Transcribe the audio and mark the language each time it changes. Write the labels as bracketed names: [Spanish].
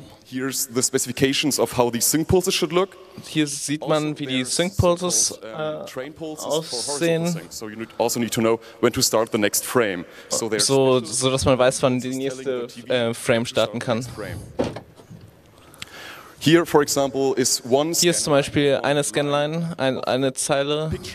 [German] Hier sieht man, wie die Sync-Pulses aussehen. [English] So you also need to know when to start the next frame. [German] So dass man weiß, wann die nächste Frame starten kann. [English] Here, for example, is one. [German] Hier ist zum Beispiel eine Scanline, eine Zeile.